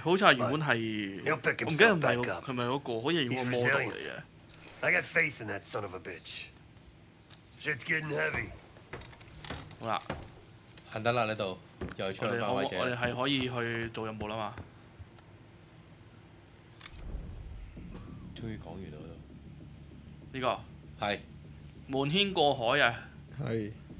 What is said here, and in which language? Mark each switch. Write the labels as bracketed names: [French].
[Cantonese] 好似原本係，我唔記得係咪係咪嗰個，好似原本 model 嚟嘅。 [English] I got faith in that son of a bitch. Shit's getting heavy. [Cantonese] 好啦，行得啦呢度，又出嚟翻位置。我哋係可以去做任務啦嘛。終於講完啦，都呢個係瞞天過海啊！係